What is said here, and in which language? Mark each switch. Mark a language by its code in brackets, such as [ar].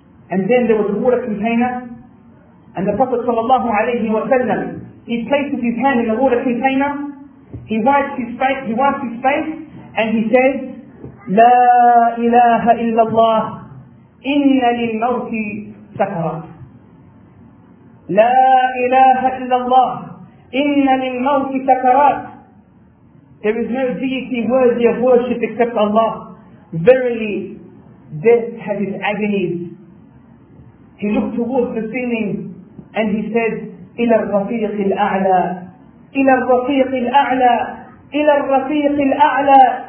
[en] And then there was a water container, and the Prophet sallallahu alayhi wa sallam, he places his hand in the water container, he wipes his face, and he says, [ar] لا إله إلا الله إن للموت سكرات. لا إله إلا الله إن للموت سكرات. [en] There is no deity worthy of worship except Allah. Verily, death has its agonies. He looked towards the ceiling and he said, [ar] إلى الرفيق الأعلى. إلى الرفيق الأعلى. إلى الرفيق الأعلى.